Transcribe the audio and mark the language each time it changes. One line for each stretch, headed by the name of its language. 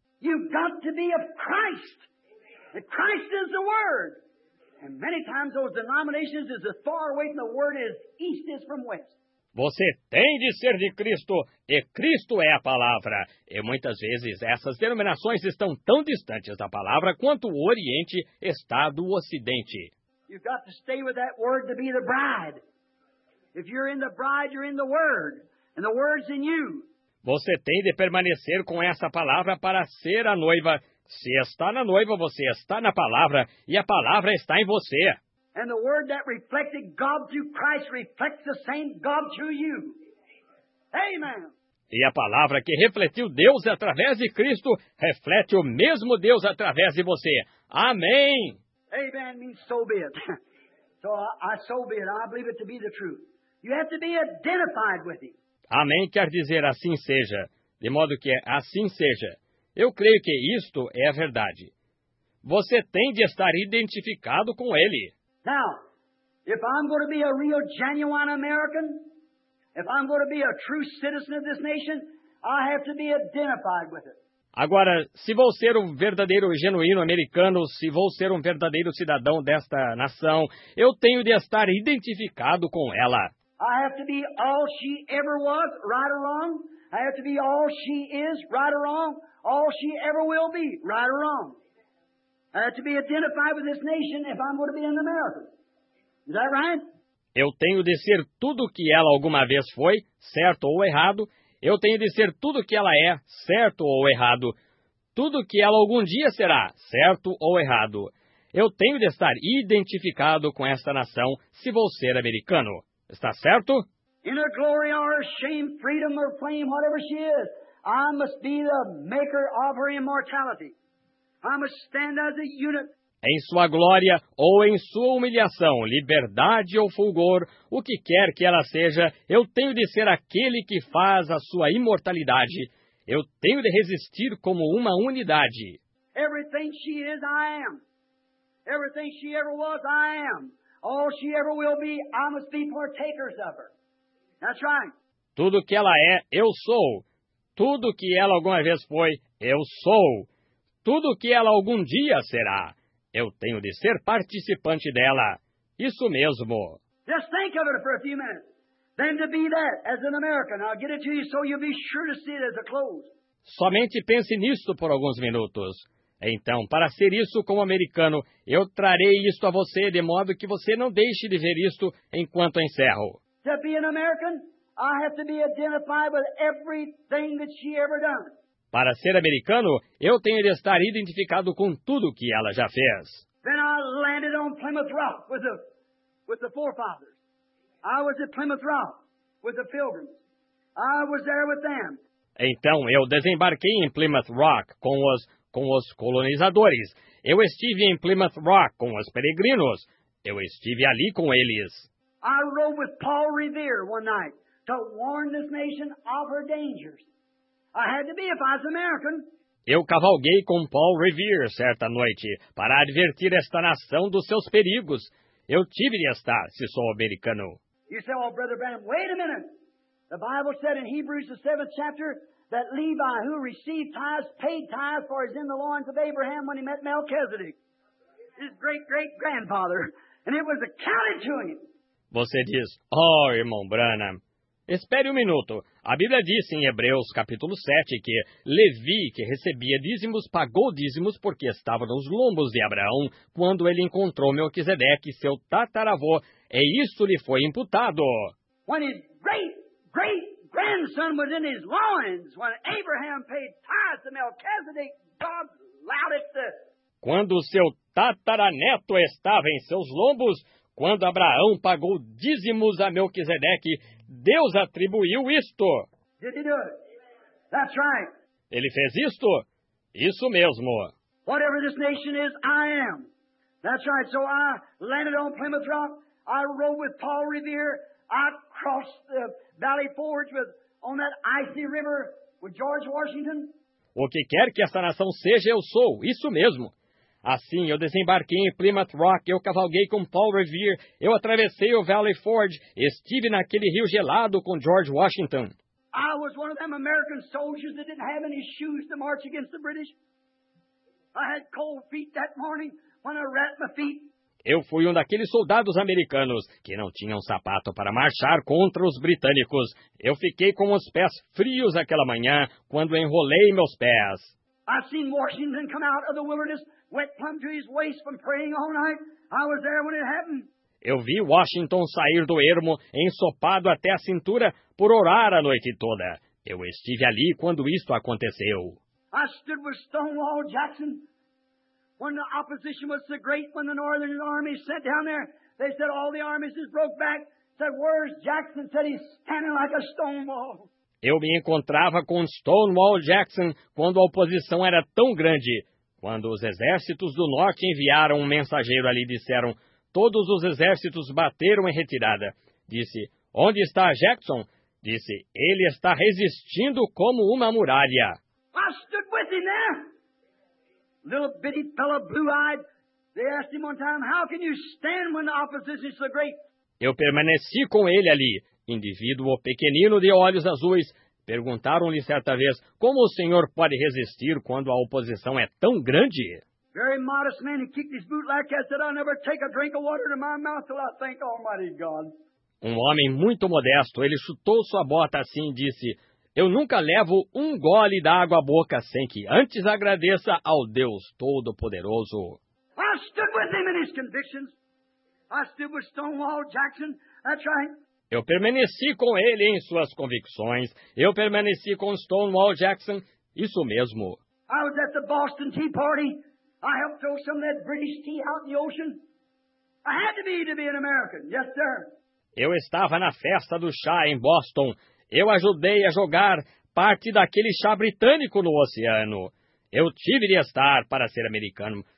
English: You've got to be of Christ. Christ is the Word. And many times those denominations is as far away from the Word as east is from west.
Portuguese: Você tem de ser de Cristo, e Cristo é a palavra. E muitas vezes essas denominações estão tão distantes da palavra quanto o Oriente está do Ocidente.
English: You've got to stay with that word to be the bride. If you're in the bride, you're in the word. And the word's in you.
Portuguese: Você tem de permanecer com essa palavra para ser a noiva. Se está na noiva, você está na palavra. E a palavra está em você.
English: And the word that reflected God through Christ reflects the same God through you. Amen.
Portuguese: E a palavra que refletiu Deus através de Cristo reflete o mesmo Deus através de você. Amém.
English: Amen means so be it. So I so be it. I believe it to be the truth. You have to be identified with him.
Portuguese: Amém quer dizer assim seja, de modo que assim seja. Eu creio que isto é a verdade. Você tem de estar identificado com ele.
English: Now, if I'm going to be a real genuine American, if I'm going to be a true citizen of this nation, I have to be identified with it.
Portuguese: Agora, se vou ser um verdadeiro e genuíno americano, se vou ser um verdadeiro cidadão desta nação, eu tenho de estar identificado com ela.
English: I have to be all she ever was, right or wrong. I have to be all she is, right or wrong. All she ever will be, right or wrong. I have to be identified with this nation if I'm going to be in America. Is that right?
Portuguese: Eu tenho de ser tudo o que ela alguma vez foi, certo ou errado. Eu tenho de ser tudo o que ela é, certo ou errado. Tudo o que ela algum dia será, certo ou errado. Eu tenho de estar identificado com esta nação se vou ser americano. Está certo?
English: In her glory or shame, freedom or fame, whatever she is, I must be the maker of her immortality. I must stand as a unit.
Portuguese: Em sua glória ou em sua humilhação, liberdade ou fulgor, o que quer que ela seja, eu tenho de ser aquele que faz a sua imortalidade. Eu tenho de resistir como uma unidade.
English: Everything she is, I am. Everything she ever was, I am. All she ever will be, I must be partakers of her. That's right.
Portuguese: Tudo que ela é, eu sou. Tudo que ela alguma vez foi, eu sou. Tudo que ela algum dia será. Eu tenho de ser participante dela. Isso mesmo.
English: Just think of it for a few minutes. Then to be that as an American. I'll get it to you so you'll be sure to see it as a close.
Portuguese: Somente pense nisto por alguns minutos. Então, para ser isso como americano, eu trarei isto a você de modo que você não deixe de ver isto enquanto encerro.
English: To be an American, I have to be identified with everything that she ever done.
Portuguese: Para ser americano, eu tenho de estar identificado com tudo que ela já fez.
English: Then I landed on Plymouth Rock with the forefathers. I was at Plymouth Rock with the Pilgrims. I was there with them.
Portuguese: Então eu desembarquei em Plymouth Rock com os colonizadores. Eu estive em Plymouth Rock com os peregrinos. Eu estive ali com eles.
English: I rode with Paul Revere one night to warn this nation of her dangers. I had to be if I was American.
Portuguese: Eu cavalguei com Paul Revere certa noite para advertir esta nação dos seus perigos. Eu tive de estar, se sou americano.
English: You say, oh, Brother Branham, wait a minute. The Bible said in Hebrews, the 7th chapter, that Levi, who received tithes, paid tithes for his in the loins of Abraham when he met Melchizedek, his great-great-grandfather, and it was accounted to him.
Portuguese: Você diz, oh, irmão Branham, espere um minuto. A Bíblia diz em Hebreus, capítulo 7, que Levi, que recebia dízimos, pagou dízimos porque estava nos lombos de Abraão quando ele encontrou Melquisedeque, seu tataravô, e isso lhe foi imputado.
English: When his great-great-grandson was in his loins, when Abraham paid tithes to Melchizedek, God allowed it to...
Portuguese: Quando seu tataraneto estava em seus lombos, quando Abraão pagou dízimos a Melquisedeque, Deus atribuiu isto.
English: Did he do it? That's right.
Portuguese: Ele fez isto? Isso mesmo.
English: Whatever this nation is, I am. That's right. So I landed on Plymouth Rock. I rode with Paul Revere. I crossed the Valley Forge on that icy river with George Washington.
Portuguese: O que quer que esta nação seja, eu sou. Isso mesmo. Assim, eu desembarquei em Plymouth Rock, eu cavalguei com Paul Revere, eu atravessei o Valley Forge, estive naquele rio gelado com George Washington.
English: I was one of them American soldiers that didn't have any shoes to march against the British. I had cold feet that morning when I wrapped my feet.
Portuguese: Eu fui um daqueles soldados americanos que não tinham sapato para marchar contra os britânicos. Eu fiquei com os pés frios aquela manhã quando enrolei meus pés.
English: I seen Washington come out of the wilderness. Wet plumb to his waist from praying all night. I was there when it happened.
Portuguese: Eu vi Washington sair do ermo, ensopado até a cintura, por orar a noite toda. Eu estive ali quando isto aconteceu.
English: I stood with Stonewall Jackson. When the opposition was so great, when the Northern army sent down there, they said all the armies just broke back. Said, where's Jackson? Said, he's standing like a stone wall.
Portuguese: Eu me encontrava com Stonewall Jackson quando a oposição era tão grande. Quando os exércitos do norte enviaram um mensageiro ali, disseram, todos os exércitos bateram em retirada. Disse, onde está Jackson? Disse, ele está resistindo como uma muralha.
English: I stood with him there. Little bitty fellow, blue-eyed. They asked him one time, how can you stand when the opposition is so great?
Portuguese: Eu permaneci com ele ali, indivíduo pequenino de olhos azuis. Perguntaram-lhe certa vez, como o senhor pode resistir quando a oposição é tão grande?
English: Very modest man, he kicked his boot like that, said, I'll never take a drink of water to my mouth till I thank Almighty God.
Portuguese: Um homem muito modesto, ele chutou sua bota assim e disse: eu nunca levo um gole d'água à boca sem que antes agradeça ao Deus Todo-Poderoso.
English: I stood with him in his convictions. I stood with Stonewall Jackson. That's right.
Portuguese: Eu permaneci com ele em suas convicções. Eu permaneci com Stonewall Jackson. Isso mesmo.
English: I was at the Boston Tea Party. I helped throw some of that British tea out in the ocean. I had to be an American. Yes, sir.
Portuguese: Eu estava na festa do chá em Boston. Eu ajudei a jogar parte daquele chá britânico no oceano. Eu tive de estar para ser americano.